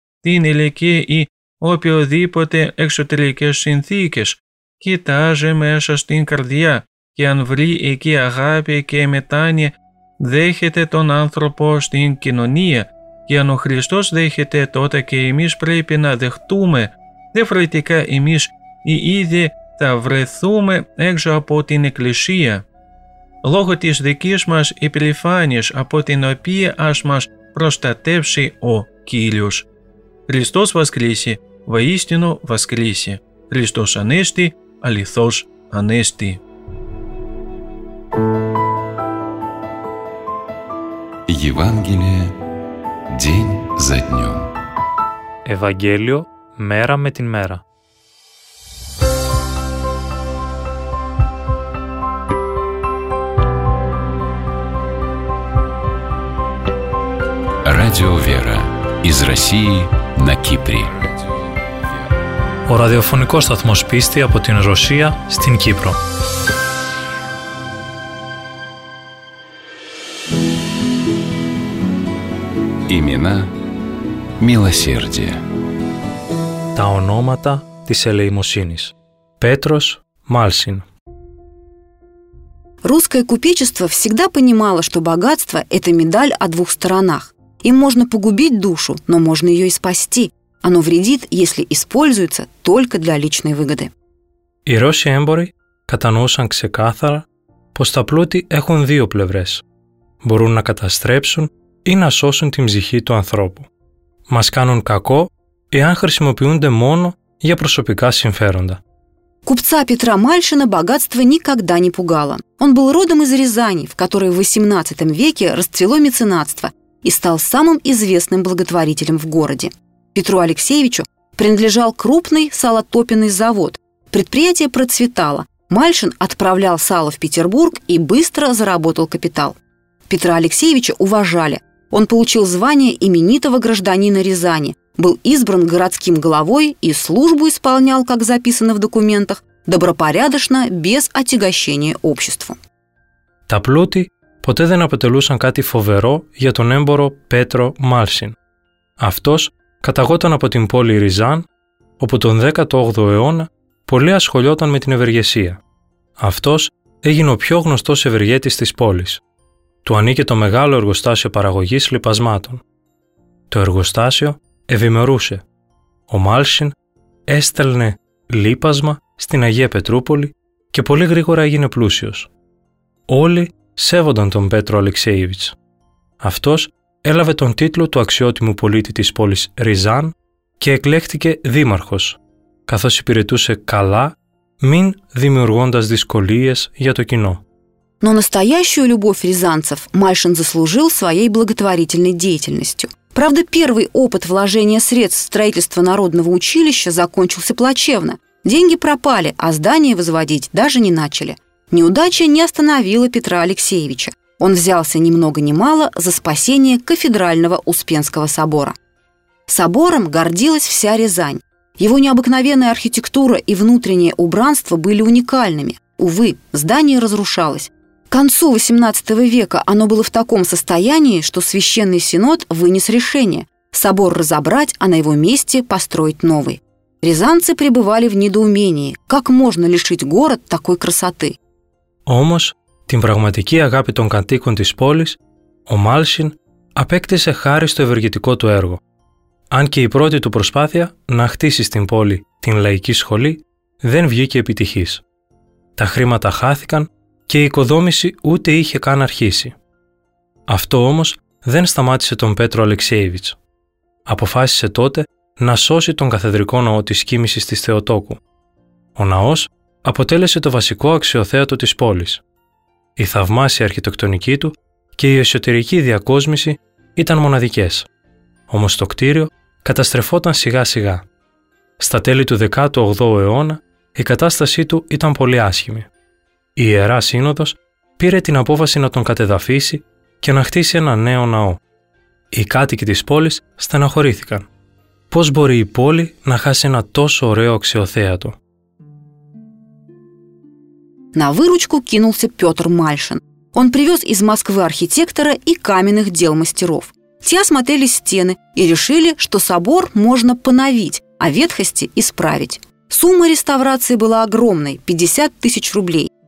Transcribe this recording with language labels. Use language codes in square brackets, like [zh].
[el] тин илеке и опиодипоте экшотрикеш синтикеш, кетаже мешаш тин кардия, και αν βρει εκεί αγάπη και μετάνοια, δέχεται τον άνθρωπο στην κοινωνία, και αν ο Χριστός δέχεται τότε και εμείς πρέπει να δεχτούμε, διαφορετικά εμείς οι ίδιοι θα βρεθούμε έξω από την Εκκλησία. Λόγω της δικής μας υπερηφάνειας από την οποία ας μας προστατεύσει ο Κύριος. [ru] Χριστός Βασκρίσει, βαίστινο Βασκρίσει. [el] Χριστός Ανέστη, αληθώς Ανέστη. [ru] Евангелие день за днем. Евангелие мера [el] με την [ru] мера. Радио Вера из России на Кипре. [el] ο ραδιοφωνικός σταθμός πίστη από την Ρωσία στην Κύπρο. [ru] Имена милосердия. [el] Τα ονόματα της ελεημοσύνης. Πέτρος Μάλσιν. [ru] Русское купечество всегда понимало, что богатство – это медаль о двух сторонах. Им можно погубить душу, но можно ее и спасти. Оно вредит, если используется только для личной выгоды. [el] Οι Ρώσοι έμποροι κατανοούσαν ξεκάθαρα πως τα πλούτη έχουν δύο πλευρές. Μπορούν να καταστρέψουν ή να σώσουν την ψυχή του ανθρώπου. Μας κάνουν κακό εάν χρησιμοποιούνται μόνο για προσωπικά συμφέροντα. [ru] Купца Петра Мальшина богатство никогда не пугало. Он был родом из Рязани, в которой в XVIII веке расцвело меценатство и стал самым известным благотворителем в городе. Петру Алексеевичу принадлежал крупный салотопенный завод. Предприятие процветало. Мальшин отправлял сало в Петербург и быстро заработал капитал. Петра Алексеевича уважали. Он получил звание именитого гражданина Рязани, был избран городским главой и службу исполнял, как записано в документах, добропорядочно, без отягощения обществу. [el] Та плути ποτέ δεν αποτελούσαν κάτι φοβερό για τον έμπορο Πέτρο Μάλσιν. Αυτός καταγόταν από την πόλη Ριζάν, όπου τον 18ο αιώνα πολύ ασχολιόταν με την ευεργεσία. Αυτός έγινε ο πιο γνωστός ευεργέτης της πόλης. Του ανήκε το μεγάλο εργοστάσιο παραγωγής λιπασμάτων. Το εργοστάσιο ευημερούσε. Ο Μάλσιν έστελνε λίπασμα στην Αγία Πετρούπολη και πολύ γρήγορα έγινε πλούσιος. Όλοι σέβονταν τον Πέτρο Αλεξέιβιτς. Αυτός έλαβε τον τίτλο του αξιότιμου πολίτη της πόλης Ριζάν και εκλέχτηκε δήμαρχος, καθώς υπηρετούσε καλά, μην δημιουργώντας δυσκολίες για το κοινό. [ru] Но настоящую любовь рязанцев Мальшин заслужил своей благотворительной деятельностью. Правда, первый опыт вложения средств в строительство народного училища закончился плачевно. Деньги пропали, а здание возводить даже не начали. Неудача не остановила Петра Алексеевича. Он взялся ни много ни мало за спасение кафедрального Успенского собора. Собором гордилась вся Рязань. Его необыкновенная архитектура и внутреннее убранство были уникальными. Увы, здание разрушалось. К концу XVIII века оно было в таком состоянии, что Священный Синод вынес решение – собор разобрать, а на его месте построить новый. Рязанцы пребывали в недоумении – как можно лишить город такой красоты? [el] Όμως, την πραγματική αγάπη των κατοίκων της πόλης, ο Μάλσιν απέκτησε χάρη στο ευεργετικό του έργο. Αν και η πρώτη του προσπάθεια να χτίσει στην πόλη την Λαϊκή Σχολή δεν βγήκε επιτυχής. Τα χρήματα χάθηκαν και η οικοδόμηση ούτε είχε καν αρχίσει. Αυτό όμως δεν σταμάτησε τον Πέτρο Αλεξέιβιτς. Αποφάσισε τότε να σώσει τον καθεδρικό ναό της κοίμησης της Θεοτόκου. Ο ναός αποτέλεσε το βασικό αξιοθέατο της πόλης. Η θαυμάσια αρχιτεκτονική του και η εσωτερική διακόσμηση ήταν μοναδικές. Όμως το κτίριο καταστρεφόταν σιγά σιγά. Στα τέλη του 18ου αιώνα η κατάστασή του ήταν πολύ άσχημη. Η Ιερά Σύνοδος πήρε την απόφαση να τον κατεδαφίσει και να χτίσει ένα νέο ναό. Οι κάτοικοι της πόλης στεναχωρήθηκαν. Πώς μπορεί η πόλη να χάσει ένα τόσο ωραίο αξιοθέατο? [ru] На выручку кинулся Петр Мальшин. Он привез из Москвы архитектора и каменных дел мастеров. Те осмотрели стены и решили, что собор можно поновить, а ветхости исправить. Сумма реставрации была огромной – 50 тысяч рублей.